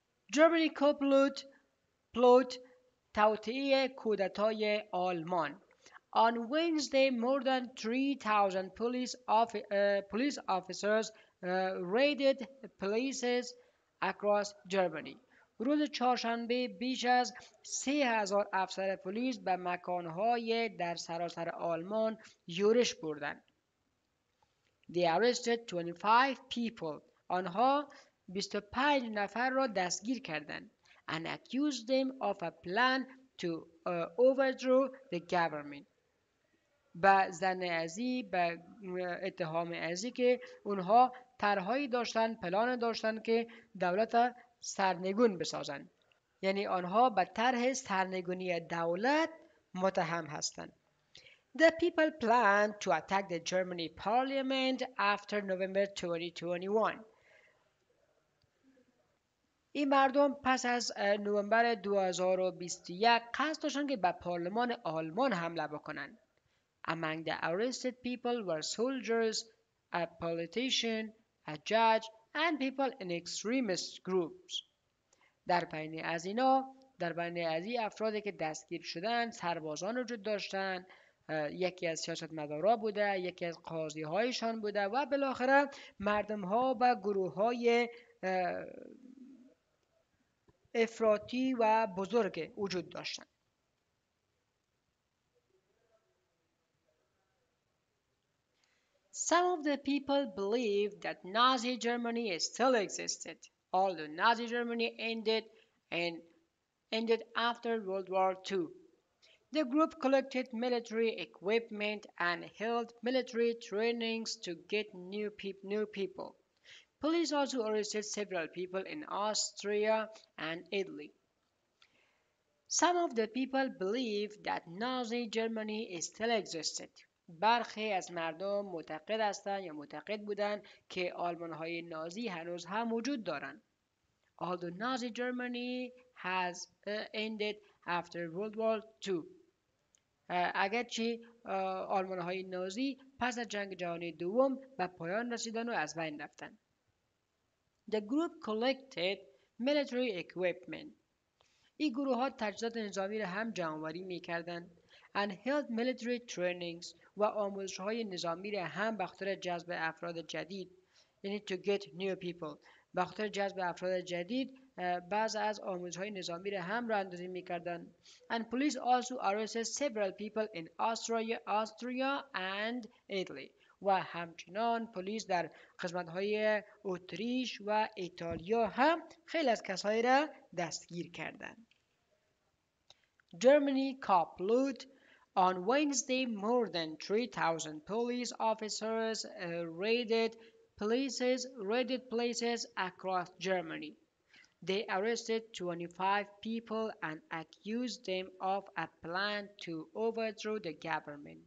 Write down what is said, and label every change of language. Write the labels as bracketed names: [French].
[English] Germany co-plot [Persian] توطئه کودتای آلمان. [English] On Wednesday, more than 3,000 police officers raided places across Germany. [Persian] روز چهارشنبه بیش از 3,000 افسر پلیس به مکانهای در سراسر آلمان یورش بردند. [English] They arrested 25 people. [Persian] آنها 25 نفر را دستگیر کردند. [English] And accused them of a plan to overthrow the government. [Persian] با زن ازی به اتهام ازی که اونها طرحی داشتن، پلان داشتن که دولت سرنگون بسازن. یعنی آنها به طرح سرنگونی دولت متهم هستند. [English] The people planned to attack the Germany parliament after November 2021. [Persian] این مردم پس از نوامبر 2021 قصد داشتن که به پارلمان آلمان حمله بکنن. [English] Among the arrested people were soldiers, a politician, a judge, and people in extremist groups. [Persian] در بین از اینا، در بین از این افرادی که دستگیر شدن، سربازان وجود داشتن، یکی از سیاست مدارا بوده، یکی از قاضی هایشان بوده و بالاخره مردم ها و گروه های افراطی و بزرگ وجود داشتن. [English] Some of the people believe that Nazi Germany still existed, although Nazi Germany ended after World War II. The group collected military equipment and held military trainings to get new people. Police also arrested several people in Austria and Italy. Some of the people believe that Nazi Germany still existed. [Persian] برخی از مردم معتقد هستند یا معتقد بودند که آلمان‌های نازی هنوز هم وجود دارند. [English] Although Nazi Germany has ended after World War II. [Persian] اگرچه آلمان‌های نازی پس از جنگ جهانی دوم به پایان رسیدن و از بین رفتن. [English] The group collected military equipment. [Persian] این گروه ها تجهیزات نظامی را هم جمع‌آوری می‌کردند. [English] And held military trainings. [Persian] و آموزش‌های نظامی را هم به خاطر جذب افراد جدید، یعنی [English] to get new people، [Persian] به خاطر جذب افراد جدید بعض از آموزش‌های نظامی را هم راه‌اندازی می‌کردند. [English] And police also arrested several people in Austria and Italy. [Persian] و همچنان پلیس در قسمت‌های اتریش و ایتالیا هم خیلی از کسایی را دستگیر کردند. [English] Germany co-plot. On Wednesday, more than 3,000 police officers raided places across Germany. They arrested 25 people and accused them of a plan to overthrow the government.